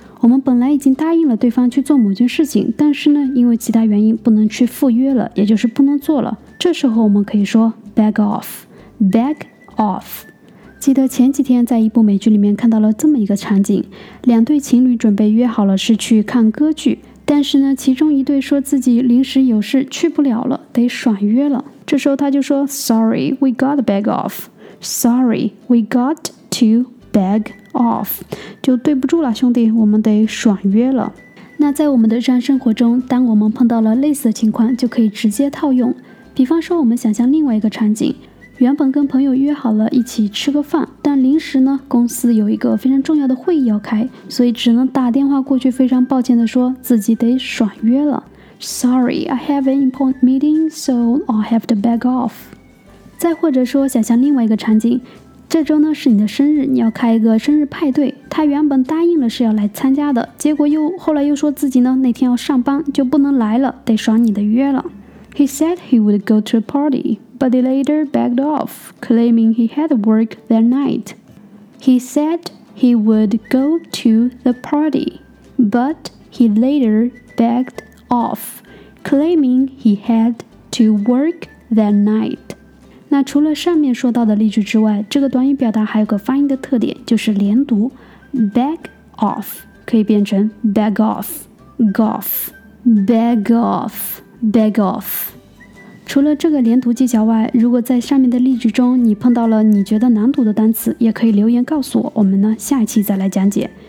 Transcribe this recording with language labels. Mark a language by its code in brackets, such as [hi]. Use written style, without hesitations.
[zh] 我们本来已经答应了对方去做某件事情，但是呢，因为其他原因不能去赴约了，也就是不能做了，这时候我们可以说 beg off。 [en] beg off。 [zh] 记得前几天在一部美剧里面看到了这么一个场景，两对情侣准备约好了是去看歌剧，但是呢，其中一对说自己临时有事去不了了，得爽约了。这时候他就说 [en] Sorry, we got to beg off. Sorry, we got to beg off. [zh] 就对不住了，兄弟，我们得爽约了。那在我们的日常生活中，当我们碰到了类似的情况，就可以直接套用。比方说我们想象另外一个场景，原本跟朋友约好了一起吃个饭，但临时呢，公司有一个非常重要的会议要开，所以只能打电话过去，非常抱歉地说自己得爽约了。 [en] Sorry, I have an important meeting, so I have to beg off. [zh] 再或者说，想象另外一个场景，这周呢是你的生日，你要开一个生日派对，他原本答应了是要来参加的，结果后来又说自己呢那天要上班，就不能来了，得爽你的约了。 [en] He said he would go to a party. But he later begged off, claiming he had work that night. He said he would go to the party, but he later begged off, claiming he had to work that night. [zh] 那除了上面说到的例句之外，这个短语表达还有个发音的特点，就是连读 beg off 可以变成 beg off, golf, beg off, beg off. 除了这个连读技巧外，如果在上面的例句中你碰到了你觉得难读的单词，也可以留言告诉我，我们呢下一期再来讲解。